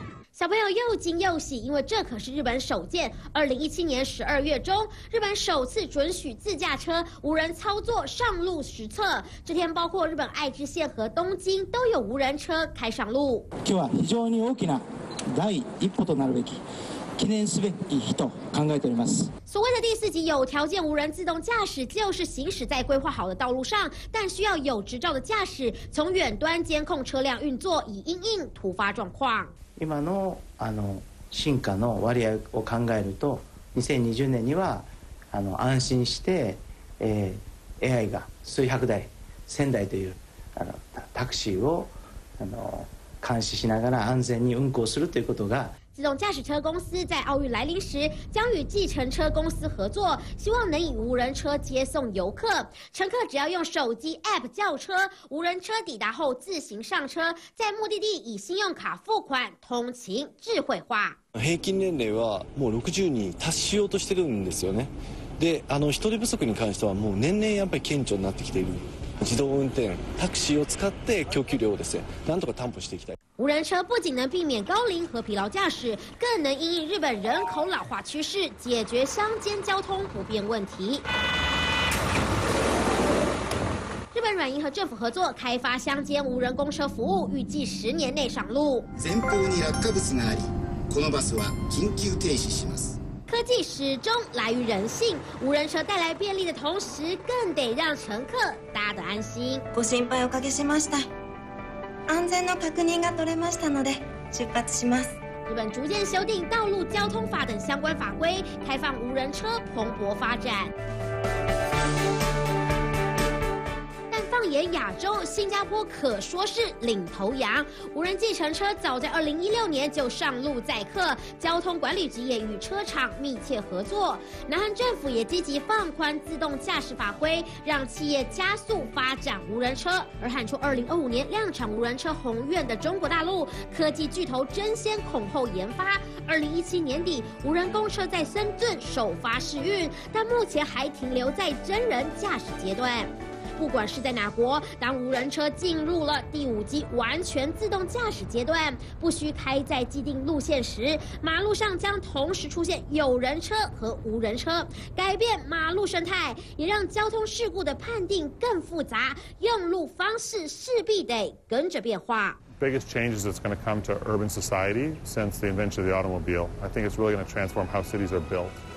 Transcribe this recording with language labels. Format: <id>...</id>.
<zh>小朋友又惊又喜，因为这可是日本首件。2017年12月中，日本首次准许自驾车无人操作上路实测。这天，包括日本爱知县和东京都有无人车开上路。</zh> <ja>今日は非常に大きな第一歩となるべき。記念すべき日と考えております。</ja> <zh>所谓的第四级有条件无人自动驾驶，就是行驶在规划好的道路上，但需要有执照的驾驶从远端监控车辆运作，以因应突发状况。</zh> <ja>今 の, あの進化の割合を考えると2020年にはあの安心して、AI が数百台千台というあのタクシーをあの監視しながら安全に運行するということが。</ja> <zh>自动驾驶车公司在奥运来临时将与计程车公司合作，希望能以无人车接送游客。乘客只要用手机 APP 叫车，无人车抵达后自行上车，在目的地以信用卡付款，通勤智慧化。</zh> <ja>平均年齢はもう60に達しようとしてるんですよね。で、あの人手不足に関してはもう年々やっぱり顕著になってきている。自動運転タクシーを使って供給量をですね、なんとか担保していきたい。</ja> <zh>无人车不仅能避免高龄和疲劳驾驶，更能因应日本人口老化趋势，解决乡间交通不便问题。日本软银和政府合作开发乡间无人公车服务，预计10年内上路。</zh> <ja>前方に落下物があり、このバスは緊急停止します。</ja> <zh>科技始终来于人性，无人车带来便利的同时，更得让乘客搭得安心。</zh> <ja>ご心配おかけしました。安全の確認が取れましたので出発します。</ja> <zh>日本逐渐修订道路交通法等相关法规，开放无人车蓬勃发展。但放眼亚洲，新加坡可说是领头羊，无人计程车早在2016年就上路载客，交通管理局也与车厂密切合作。南韩政府也积极放宽自动驾驶法规，让企业加速发展无人车。而喊出2025年量产无人车宏愿的中国大陆科技巨头争先恐后研发，2017年底无人公车在深圳首发试运，但目前还停留在真人驾驶阶段。不管是在哪国，当无人车进入了第五级完全自动驾驶阶段，不需开在既定路线时，马路上将同时出现有人车和无人车，改变马路生态，也让交通事故的判定更复杂，用路方式势必得跟着变化。</zh> <en>Biggest changes that's going to come to urban society since the invention of the automobile. I think it's really going to transform how cities are built.</en>